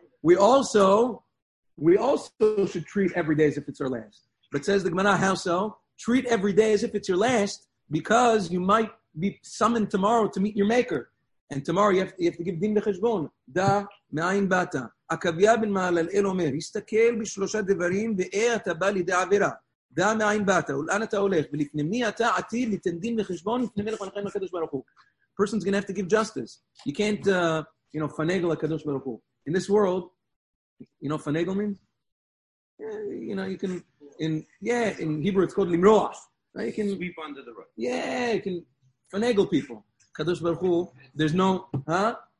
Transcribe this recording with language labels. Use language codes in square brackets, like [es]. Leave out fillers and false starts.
[en] We also should treat every day as if it's our last. But says the Gemara, how so? Treat every day as if it's your last, because you might be summoned tomorrow to meet your maker. And tomorrow you have to give din b'cheshbon. [he] Da, me'ayin bata. עקביה בן מהללאל אומר, הסתכל בשלושה דברים, ואה אתה בא לידי עבירה. דע מאין באת, ולאן אתה הולך, ולפני מי אתה עתיד לתן דין וחשבון, לפני מלך מלכי הקדוש ברוך הוא. [en] Person's going to have to give justice. You can't, you know, finagle a kadosh baruch hu. In this world, you know, finagle means, you know, you can, in Hebrew it's called limroach. Right? You can sweep under the rug. Yeah, you can finagle people. Kadosh baruch hu, there's no, huh?